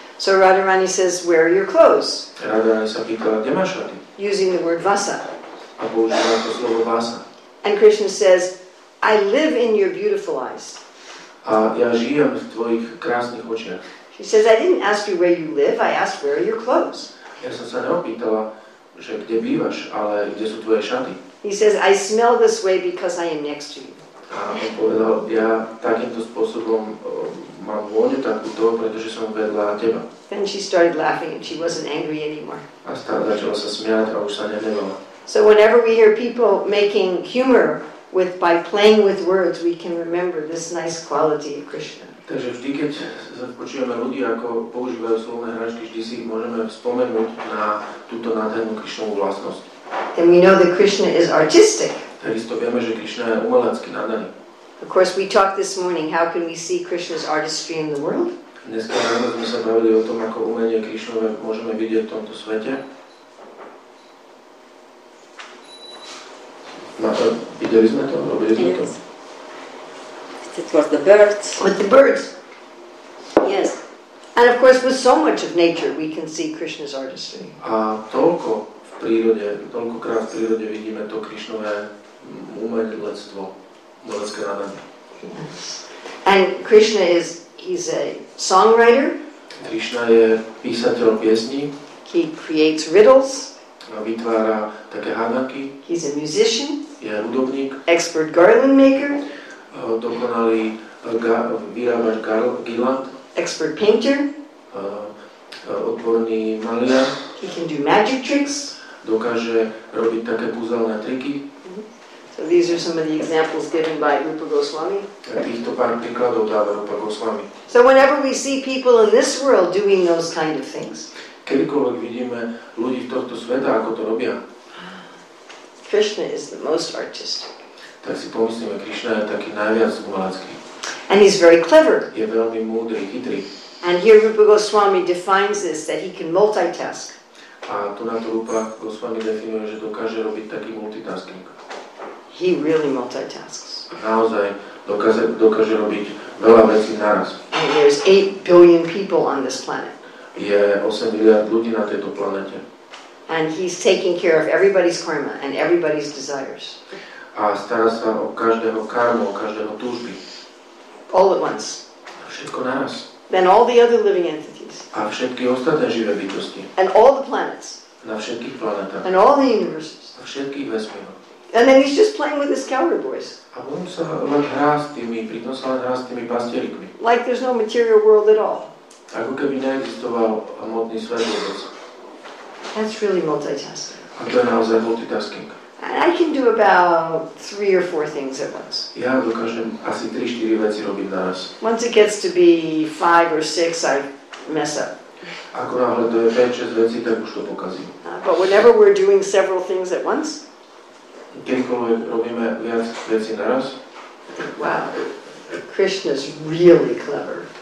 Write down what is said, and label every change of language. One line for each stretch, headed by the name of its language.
English: So Radharani says, where are your clothes?
Slovak: Radharani sa pýtala, kde máš šaty?
English: Using the word vasa.
Slovak: A používa to slovo vasa.
English: And Krishna says, I live in your beautiful eyes.
Slovak: A ja žijem v tvojich krásnych očiach.
English: She says, I didn't ask you where you live, I asked where are your clothes.
Slovak: Ja som sa neopýtala, že kde bývaš, ale kde sú tvoje šaty.
English: He says, I smell this way because I am next to you.
Slovak: A povedal, ja takýmto spôsobom mám vôňu takúto, pretože som vedľa teba.
English: Then she started laughing and she wasn't angry anymore.
Slovak: A stále začala sa smiať a už sa nehnevala.
English: So whenever we hear people making humor by playing with words, we can remember this nice quality of Krishna.
Slovak: Takže vždy, keď počujeme ľudí, ako používajú slovné hračky, vždy si ich môžeme spomenúť na túto nádhernú Krishnovú vlastnosť.
English: Then we know that Krishna is artistic.
Slovak: Takisto vieme, že Krishna je umelecký nadaný.
English: Of course, we talked this morning, how can we see Krishna's artistry in the world?
Slovak: Dneska ráno sme sa bavili o tom, ako umenie Krishnove môžeme vidieť v tomto svete.
English: It was the birds. With the birds. Yes. And of course, with so much of nature, we can see Krishna's artistry.
Slovak: A toľko v prírode, toľkokrát v prírode vidíme to Krishnové umelectvo, umelecké nadanie.
English: And Krishna he's a songwriter.
Slovak: Krishna je písateľ piesní.
English: He creates riddles.
Slovak: A vytvára také hádanky.
English: He's a musician.
Slovak: Je hudobník.
English: Expert garland maker.
Slovak: Dokonalý vyrábač garland.
English: Expert painter.
Slovak: Odborný maliar.
English: He can do magic tricks.
Slovak: Dokáže robiť také puzzle triky.
English: So these are some of the examples given by Rupa Goswami.
Slovak: Týchto pár príkladov dáva Rupa Goswami.
English: So whenever we see people in this world doing those kind of things.
Slovak: Kedykoľvek vidíme ľudí v tohto sveta, ako to robia.
English: Krishna is the most artistic.
Slovak: Tak si pomyslíme, Krishna je taký najviac umelecký.
English: And he's very clever.
Slovak: Je veľmi múdry, chytrý.
English: And here Rupa Goswami defines this, that he can multitask.
Slovak: A tu na to Rupa Goswami definuje, že dokáže robiť taký multitasking.
English: He really multitasks.
Slovak: A naozaj dokáže robiť veľa vecí naraz.
English: And there's 8 billion people on this planet.
Slovak: Je 8 miliard ľudí na tejto planete.
English: And he's taking care of everybody's karma and everybody's desires.
Slovak: A stará sa o každého karmu, o každého túžby.
English: All at once.
Slovak: A všetko naraz.
English: Then all the other living entities.
Slovak: A všetky ostatné živé bytosti.
English: And all the planets.
Slovak: Na všetkých planetách.
English: And all the universes.
Slovak: A všetky vesmíry.
English: And then he's just playing with his cowherd boys.
Slovak: A on sa len hrá s tými, pritom sa len hrá s tými pastierikmi.
English: Like there's no material world at all.
Slovak: Ako keby neexistoval hmotný svet vôbec.
English: That's really multitasking.
Slovak: A to je naozaj multitasking.
English: I can do about 3 or 4 things at once.
Slovak: Ja dokážem asi 3-4 veci robiť naraz.
English: Once it gets to be 5 or 6, I mess up.
Slovak: Ako náhle to je 5-6 vecí, tak už to pokazím.
English: But whenever we're doing several things at once.
Slovak: Kedykoľvek robíme viac vecí naraz.
English: Wow, Krishna's really clever.